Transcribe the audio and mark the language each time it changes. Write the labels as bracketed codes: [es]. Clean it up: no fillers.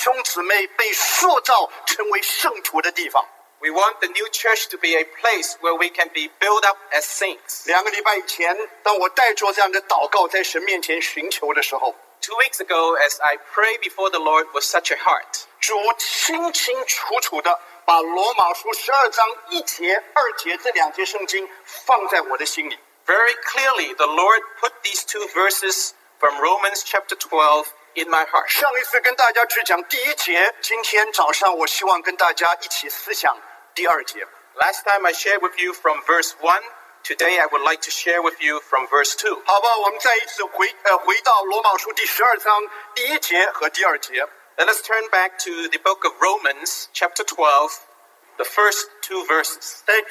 [zh] 我们迫切地求主让新堂成为许多弟兄姊妹被塑造成为圣徒的地方。 [en] We want the new church to be a place where we can be built up as saints. [zh] 两个礼拜以前，当我带着这样的祷告在神面前寻求的时候， [en] 2 weeks ago, as I pray before the Lord with such a heart, [zh] 主清清楚楚地把罗马书12章1节、2节这两节圣经放在我的心里。 [en] Very clearly, the Lord put these two verses from Romans chapter 12 in my heart. [zh] 上一次跟大家只讲第一节，今天早上我希望跟大家一起思想。 [en] Last time I shared with you from verse 1, today I would like to share with you from verse 2. [zh] 好吧,我们再一次回到罗马书第12章第一节和第二节。 [en] Let us turn back to the book of Romans, chapter 12, the first two verses.